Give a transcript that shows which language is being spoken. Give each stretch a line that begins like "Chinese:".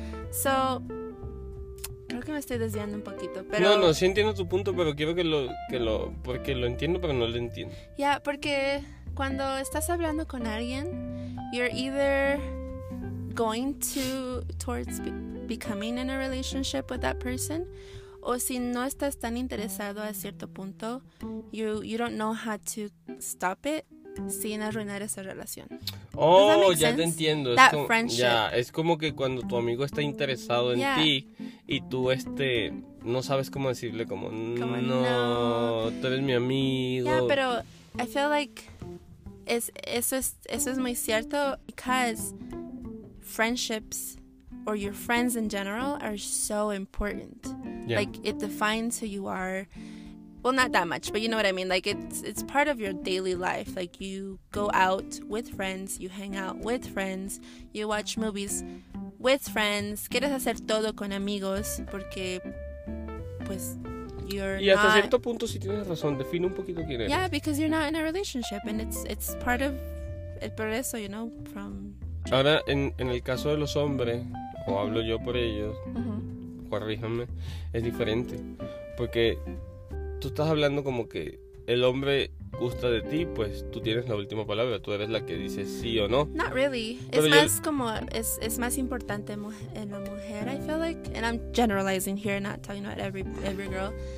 Spanish: So, creo que me estoy desviando un poquito, pero... No, no, sí entiendo tu punto, pero quiero que lo... Porque lo entiendo, pero no lo entiendo. Yeah, porque cuando estás hablando con alguien, you're either going to...
English: towards becoming in a relationship with that person, o si no estás tan interesado a cierto punto, you don't know how to stop it.
Spanish: Sin arruinar esa relación. Oh, ya te entiendo.
English: That friendship.
Spanish: Ya, es como que cuando tu amigo está interesado en ti y tú no sabes cómo decirle como no, tú eres mi amigo.
English: Yeah, pero I feel like eso es muy cierto, because friendships or your friends in general are so important. Yeah. Like it defines who you are. well, not that much, but you know what I mean. Like, it's part of your daily life. Like, you go out with friends, you hang out with friends, you watch movies with friends.
Spanish: Quieres hacer todo con amigos porque, pues, you're not... Y hasta cierto punto sí tienes razón. Define un poquito quién eres.
English: Yeah, because you're not in a relationship, and it's part of el progreso, you know, from...
Spanish: Ahora, en el caso de los hombres, o hablo yo por ellos, uh-huh. corríjame, es diferente. Porque tú estás hablando como que el hombre gusta de ti, pues tú tienes la última palabra, tú eres la que dice sí o no.
English: Not really.
Spanish: Pero es más como, es más importante en la mujer, I feel like.
English: And I'm generalizing here, not talking about every girl.